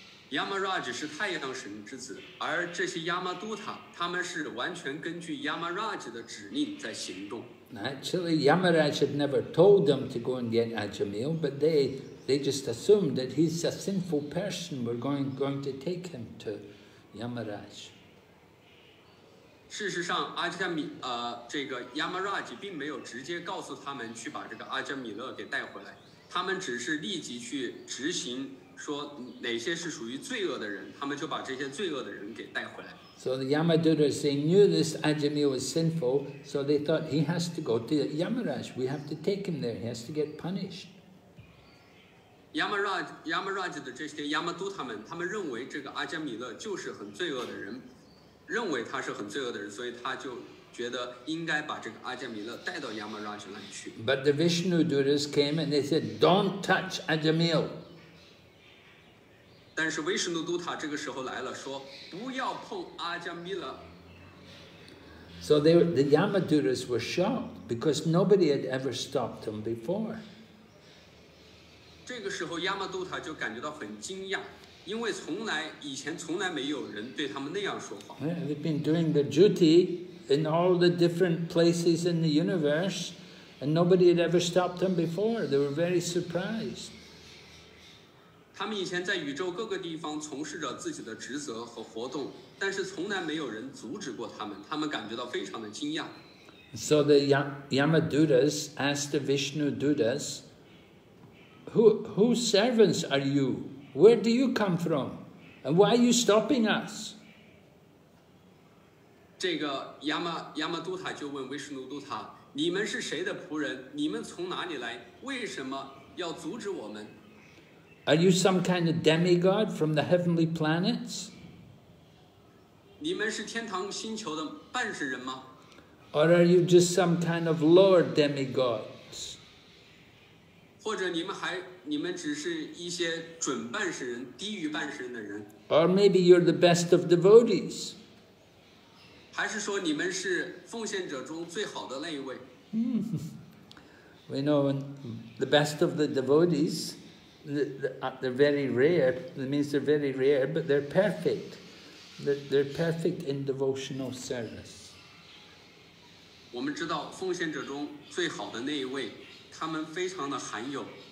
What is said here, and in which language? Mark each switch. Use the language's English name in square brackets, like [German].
[Chinese] Yamaraj 是太阳神之子，而这些 Yamaduta 他们是完全根据 Yamaraj 的指令在行动。 [English] Actually, Yamaraj had never told them to go and get Ajamil, but they just assumed that he's a sinful person. We're going to take him to Yamaraj. [Chinese] 事实上，阿加米这个 Yamaraj 并没有直接告诉他们去把这个阿加米勒给带回来，他们只是立即去执行，说哪些是属于罪恶的人，他们就把这些罪恶的人给带回来。 [English] So the Yamaduras, they knew this Ajamil was sinful, so they thought he has to go to Yamaraj. We have to take him there. He has to get punished. [Chinese] Yamaraj 的这些 Yamaduta 们，他们认为这个阿加米勒就是很罪恶的人，认为他是很罪恶的人，所以他就觉得应该把这个阿加米勒带到 Yamaraj 来去。 [English] But the Vishnuduras came and they said, "Don't touch Ajamil." [Chinese] 但是 Vishnuduta 这个时候来了，说不要碰阿加米勒。 [English] So the Yamaduras were shocked because nobody had ever stopped them before. [Chinese] 这个时候 Yamaduta 就感觉到很惊讶。因为从来以前从来没有人对他们那样说话。 [English] Yeah, they've been doing their duty in all the different places in the universe, and nobody had ever stopped them before. They were very surprised. [Chinese] 他们以前在宇宙各个地方从事着自己的职责和活动，但是从来没有人阻止过他们，他们感觉到非常的惊讶。 [English] So the Yamadutas asked the Vishnudutas, "Whose servants are you?" Where do you come from? And why are you stopping us? [Chinese] 这个 Yamaduta 就问 Vishnuduta, 你们是谁的仆人？你们从哪里来？为什么要阻止我们？ [English] Are you some kind of demigod from the heavenly planets? [Chinese] 你们是天堂星球的半世人吗？ [English] Or are you just some kind of lower demigods? [Chinese] 或者你们还你们只是一些准半世人，低于半世人的人。 [English] Or maybe you're the best of devotees. [Chinese] 还是说你们是奉献者中最好的那一位？ [English] We know the best of the devotees, they're very rare. That means they're very rare, but they're perfect. They're perfect in devotional service. [Chinese] 我们知道奉献者中最好的那一位，他们非常的罕有。